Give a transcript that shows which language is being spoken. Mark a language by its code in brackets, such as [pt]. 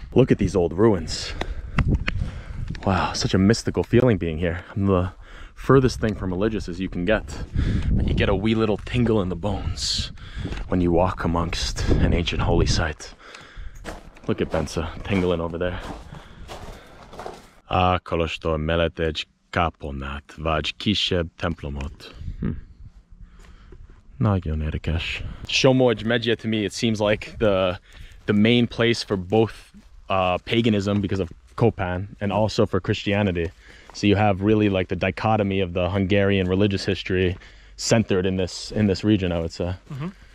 [en] Look at these old ruins. Wow, such a mystical feeling being here. The furthest thing from religious as you can get. But you get a wee little tingle in the bones when you walk amongst an ancient holy site. Look at Bensa tingling over there. [hu] Ah, kolostor mellett egy kaponát, vagy kisebb templomot. Nagyon érdekes. [en] Somogy Megye, to me, it seems like the main place for both paganism because of Kopan and also for Christianity. So you have really like the dichotomy of the Hungarian religious history centered in this region, I would say. Mm-hmm.